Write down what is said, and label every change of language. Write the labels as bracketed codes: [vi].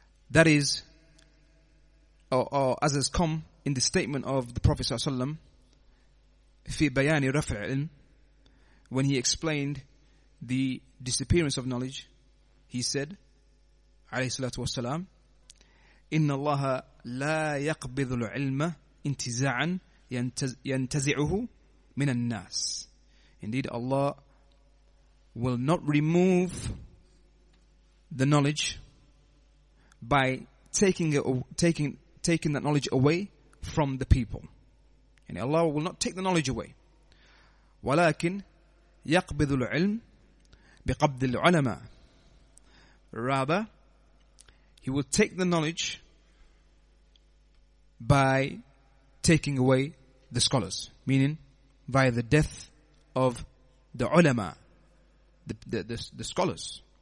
[en] that is, or as has come in the statement of the Prophet ﷺ, [ar] في بيان رفع العلم, [en] when he explained the disappearance of knowledge, he said, عليه الصلاة والسلام, [ar] إن الله لا يقبض العلم انتزاعا ينتزعه من الناس. [en] Indeed, Allah will not remove the knowledge by taking that knowledge away from the people. And Allah will not take the knowledge away. [ar] ولكن يقبض العلم بقبض العلماء. [en] Rather, He will take the knowledge by taking away the scholars, meaning via the death of the ulama, the scholars.